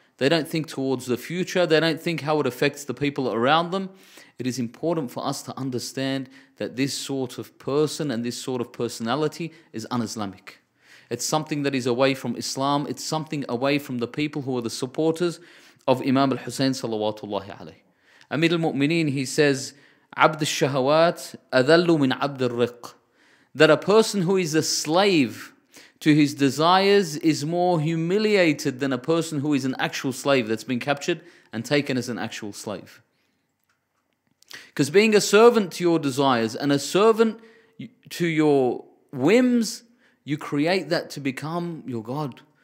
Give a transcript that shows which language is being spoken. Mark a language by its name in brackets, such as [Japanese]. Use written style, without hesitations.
[English] They don't think towards the future. They don't think how it affects the people around them. It is important for us to understand that this sort of person and this sort of personality is un-Islamic. It's something that is away from Islam. It's something away from the people who are the supporters of Imam al-Hussein salawatullahi alayhi. [Arabic] Amid al-Mu'mineen, [English] he says, [Arabic] عبد الشهوات أذل من عبد الرق. [English] That a person who is a slave to his desires is more humiliated than a person who is an actual slave that's been captured and taken as an actual slave. Because being a servant to your desires and a servant to your whims, you create that to become your God.